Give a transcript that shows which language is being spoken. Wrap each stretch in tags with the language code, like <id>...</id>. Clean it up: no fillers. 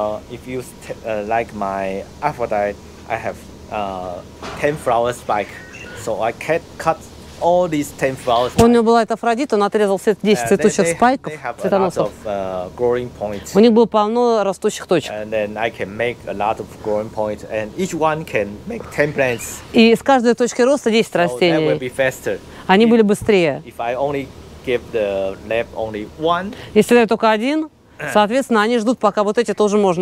<en>If you like my aphrodite, I have 10 flower spike, so I can cut all these 10 flowers.</en> <ru>У него была эта афродита, он отрезал все 10 цветущих спайков, цветоносов. У них было полно растущих точек.</ru> <en>And then I can make a lot of growing points, and each one can make 10 plants.</en> <ru>И с каждой точки роста 10 растений.</ru> <en>So that will be faster.</en> <ru>Они были быстрее.</ru> <en>If I only give the lab only one.</en> <ru>Если даю только один, соответственно, они ждут, пока вот эти тоже можно.</ru>